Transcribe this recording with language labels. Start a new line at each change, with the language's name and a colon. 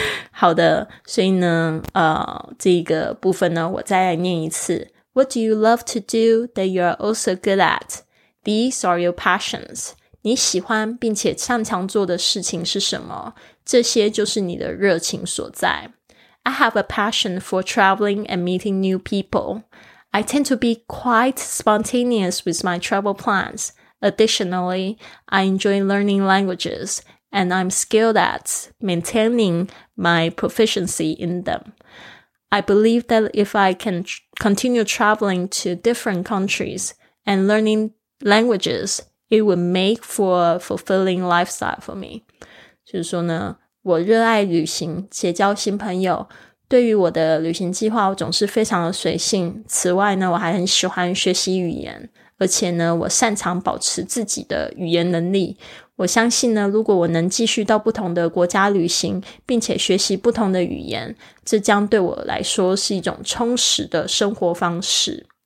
Chinese: 好的，所以呢这个部分呢我再来念一次。
English: What do you love to do that you're also good at? These are your passions.
Chinese: 你喜欢并且擅长做的事情是什么？这些就是你的热情所在。
English: I have a passion for traveling and meeting new people. I tend to be quite spontaneous with my travel plans. Additionally, I enjoy learning languages. And I'm skilled at maintaining my proficiency in them. I believe that if I can continue traveling to different countries and learning languages, it would make for a fulfilling lifestyle for me.
Chinese: 就是说呢，我热爱旅行，结交新朋友。对于我的旅行计划，我总是非常的随性。此外呢，我还很喜欢学习语言，而且呢，我擅长保持自己的语言能力。我相信呢，如果我能继续到不同的国家旅行，并且学习不同的语言，这将对我来说是一种充实的生活方式。